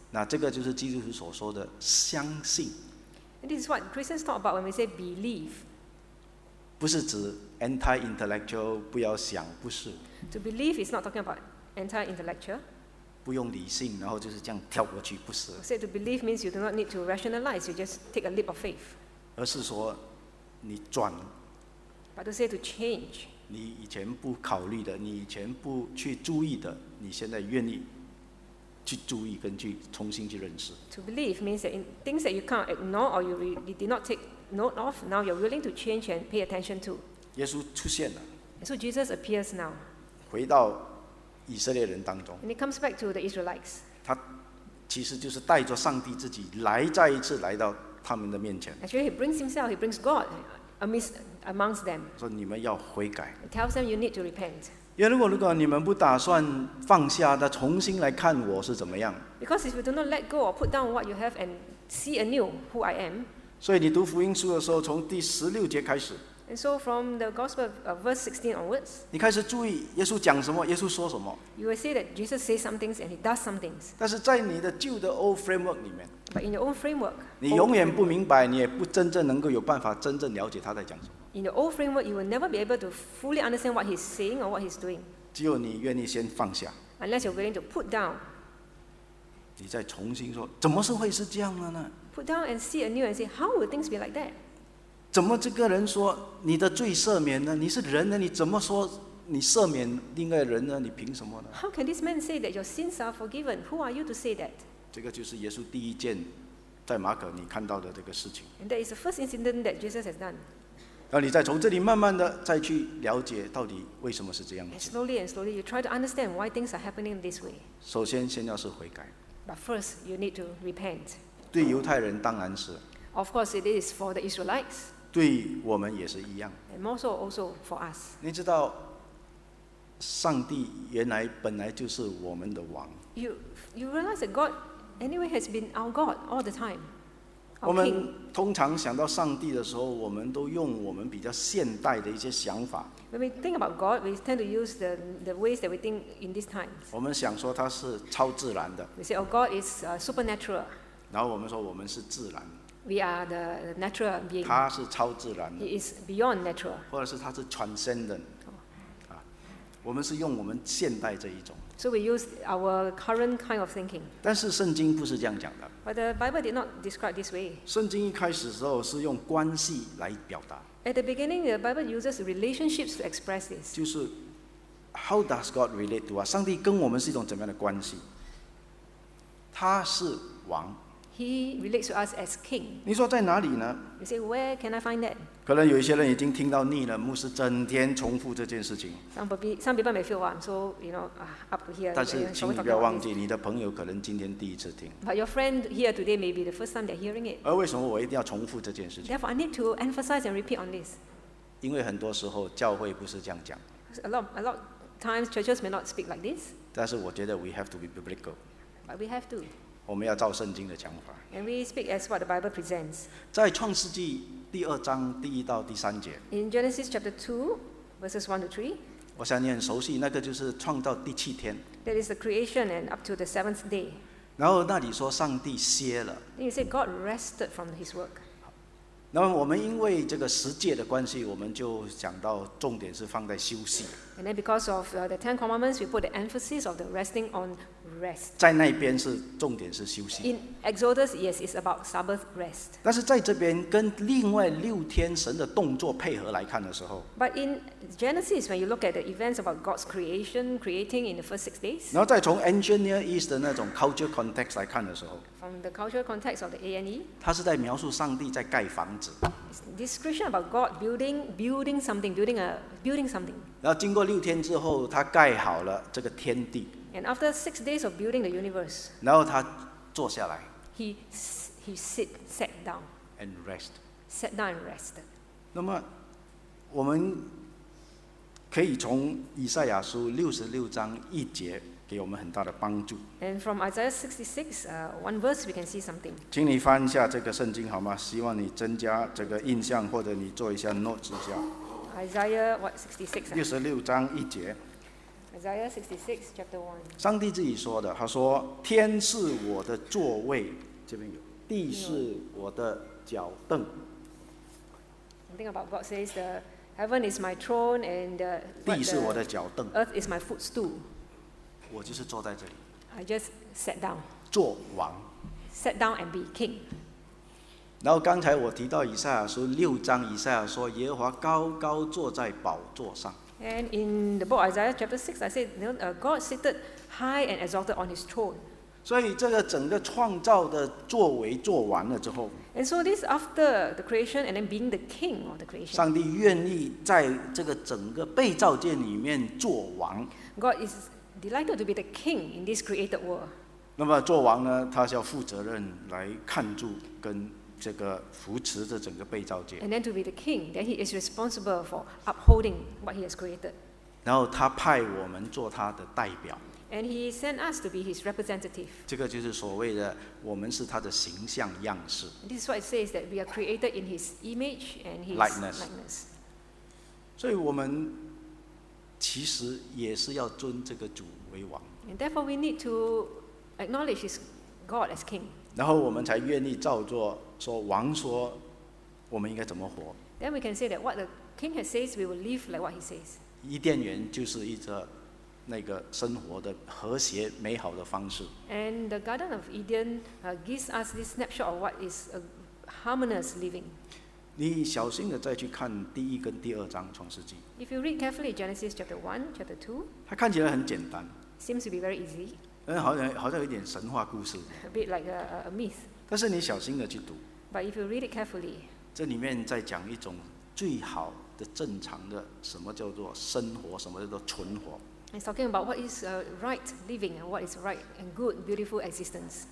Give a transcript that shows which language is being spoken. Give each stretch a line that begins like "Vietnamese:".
Chinese: 那这个就是基督徒所说的相信。
English: And this is what Christians talk about when we say believe.
Chinese: 不是指 anti-intellectual, 不要想，不是。
English: To believe is not talking about anti-intellectual.
Chinese: 不用理性，然后就是这样跳过去，不是。
English: So to believe means you do not need to rationalize, you just take a leap of faith.
Chinese: 而是说你转。
English: But to say to change,
Chinese: 你以前不考虑的，你以前不去注意的，你现在愿意去注意跟去重新去认识。
English: To believe means that in things that you can't ignore or you did not take note of, now you're willing to change and pay attention to.
Chinese: 耶稣出现了。
English: So Jesus appears now.
Chinese: 回到以色列人当中。
English: And he comes back to the Israelites.
Chinese: 他其实就是带着上帝自己来再一次来到他们的面前。
English: Actually, he brings himself. He brings God. Amongst them,
Chinese: 说你们要悔改。
English: It tells them you need to repent.
Chinese: 因为如果你们不打算放下，再重新来看我是怎么样。
English: Because if you do not let go or put down what you have and see anew who I am.
Chinese: 所以你读福音书的时候，从第十六节开始。
English: And so from the gospel verse 16 onwards.
Chinese: 你开始注意耶稣讲什么，耶稣说什么。
English: You will see that Jesus says some things and he does some things.
Chinese: 但是在你的旧的
English: old framework
Chinese: 里面。
English: But in your own framework.
Chinese: 你永远不明白，你也不真正能够有办法真正了解他在讲什么。
English: In the old framework, you will never be able to fully understand what he's saying or what he's doing.
Chinese: 只有你愿意先放下。
English: Unless you're willing to put down.
Chinese: 你再重新说，怎么是会是这样的呢？
English: Put down and see anew and say, how will things be like that?
Chinese: 怎么这个人说你的罪赦免呢？你是人呢，你怎么说你赦免另外人呢？你凭什么呢？
English: How can this man say that your sins are forgiven? Who are you to say that?
Chinese: 这个就是耶稣第一件在马可你看到的这个事情。
English: And that is the first incident that Jesus has done.
Chinese: 然后你再从这里慢慢的再去了解到底为什么是这样子。
English: Slowly and slowly, you try to understand why things are happening this way.
Chinese: 首先，先要是悔改。
English: But first, you need to repent.
Chinese: 对犹太人当然是。
English: Of course, it is for the Israelites.
Chinese: 对我们也是一样。
English: And more so also for us.
Chinese: 你知道，上帝原来本来就是我们的王。
English: You realize that God anyway has been our God all the time.
Chinese: 我们通常想到上帝的时候，我们都用我们比较现代的一些想法。
English: When we think about God, we tend to use the ways that we think in this time.
Chinese: 我们想说他是超自然的。
English: We say, oh, God is supernatural.
Chinese: 然后我们说我们是自然。
English: We are the natural being.
Chinese: 他是超自然的。
English: He is beyond natural.
Chinese: 或者是他是 transcendent. 我们是用我们现代这一种。
English: So we use our current kind of thinking.
Chinese: 但是圣经不是这样讲的。
English: But the Bible did not describe this way.
Chinese: 圣经一开始的时候是用关系来表达。
English: At the beginning, the Bible uses relationships to express this.
Chinese: 就是
English: how does God relate to us?
Chinese: 上帝跟我们是一种怎么样的关系？他是王。
English: He relates to us as king.
Chinese: 你说在哪里呢？
English: You say, where can I find that?
Chinese: 可能有一些人已经听到腻了，牧师整天重复这件事情。
English: Some people may feel, I'm so, you know, up here.
Chinese: 但是请你不要忘记，你的朋友可能今天第一次听。
English: But your friend here today may be the first time they're hearing it.
Chinese: 而为什么我一定要重复这件事情？
English: Therefore, I need to emphasize and repeat on this.
Chinese: 因为很多时候教会不是这样讲。
English: A lot times churches may not speak like this.
Chinese: 但是我觉得
English: we have to be biblical. But we have to.
Chinese: 我们要照圣经的讲法。
English: And we speak as what the Bible presents.
Chinese: 在创世纪第二章第一到第三节。
English: In Genesis chapter 2, verses 1 to 3.
Chinese: 我想你很熟悉，那个就是创造第七天。
English: That is the creation and up to the seventh day.
Chinese: 然后那里说上帝歇了。
English: Then you say God rested from his work.
Chinese: 那么我们因为这个十诫的关系，我们就讲到重点是放在休息。
English: And then because of the Ten Commandments, we put the emphasis of the resting on rest.
Chinese: 在那边是重点是休息。
English: In Exodus, yes, it's about Sabbath rest.
Chinese: 但是在这边跟另外六天神的动作配合来看的时候。
English: But in Genesis, when you look at the events about God's creation, creating in the first six days.
Chinese: 然后再从 Ancient Near East 的那种
English: culture context
Chinese: 来看的时候。
English: From the culture context of the A&E.
Chinese: 它是在描述上帝在盖房子。
English: Description about God building something.
Chinese: 然后经过六天之后，他盖好了这个天地。
English: And after six days of building the universe.
Chinese: 然后他坐下来。
English: He sat down. And rest. Sat down and rest.
Chinese: 那么我们可以从以赛亚书六十六章一节给我们很大的帮助。
English: And from Isaiah 66, one verse, we can see something.
Chinese: 请你翻一下这个圣经好吗？希望你增加这个印象，或者你做一下 notes 一下。
English: Isaiah what 66?
Chinese: 六十六章一节。
English: Isaiah 66, chapter 1.
Chinese: 上帝自己说的，他说：“天是我的座位，这边有；地是我的脚凳。”
English: Something about God says the heaven is my throne and the
Chinese: 地是我的脚凳。
English: Earth is my footstool.
Chinese: 我就是坐在这里。
English: I just sat down.
Chinese: 做王。
English: Sat down and be king.
Chinese: 然后刚才我提到以赛亚书六章，以赛亚说耶和华高高坐在宝座上。
English: And in the book Isaiah chapter 6, I said, you know, God seated high and exalted on his throne.
Chinese: 所以这个整个创造的作为做完了之后。
English: And so this after the creation and then being the king of the creation.
Chinese: 上帝愿意在这个整个被造界里面做王。
English: God is delighted to be the king in this created world.
Chinese: 那么做王呢，他是要负责任来看住跟这个扶持着整个被造界。
English: And then to be the king, then he is responsible for upholding what he has created.
Chinese: 然后他派我们做他的代表。
English: And he sent us to be his representative.
Chinese: 这个就是所谓的我们是他的形象样式。
English: This is what it says that we are created in his image and his likeness.
Chinese: 所以我们其实也是要尊这个主为王。
English: And therefore we need to acknowledge his God as king.
Chinese: 然后我们才愿意照做。说王说，我们应该怎么活
English: ？Then we can say that what the king has says, we will live like what he says.
Chinese: 伊甸园就是一个那个生活的和谐美好的方式。
English: And the Garden of Eden gives us this snapshot of what is a harmonious living.
Chinese: 你小心的再去看第一跟第二章创世纪。
English: If you read carefully Genesis chapter 1, chapter 2,
Chinese: 它看起来很简单。
English: Seems to be very easy.
Chinese: 好像有点神话故事。
English: A bit like a myth.
Chinese: 但是你小心的去读。
English: But if you read it carefully,
Chinese: 这里面在讲一种最好的正常的什么叫做生活，什么叫做存活。
English: He's talking about what is right living and what is right and good, beautiful existence.